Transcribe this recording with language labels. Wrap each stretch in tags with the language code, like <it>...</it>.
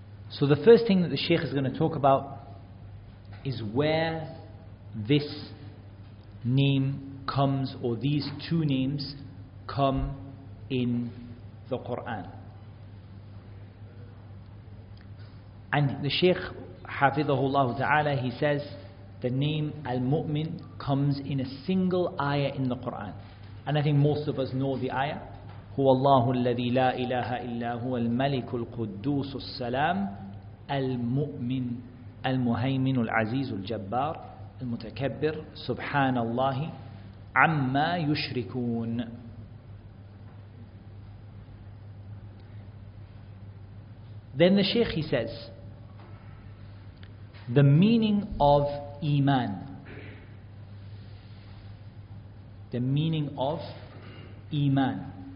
<en>So the first thing that the Shaykh is going to talk about is where this name comes, or these two names come in the Quran. And the Shaykh, hafidhahullah ta'ala, he says the name Al-Mu'min comes in a single ayah in the Quran. And I think most of us know the ayah.</en> <ar>هُوَ اللَّهُ الَّذِي لَا إِلَهَ إِلَّا هُوَ الْمَلِكُ الْقُدُّوسُ السَّلَامُ Al-Mu'min, Al-Muhaymin, Al-Aziz, Al-Jabbar, Al-Mutakabbir, Subhanallah, Amma Yushrikun.</ar> <en>Then the Shaykh, he says, the meaning of Iman, the meaning of Iman.</en>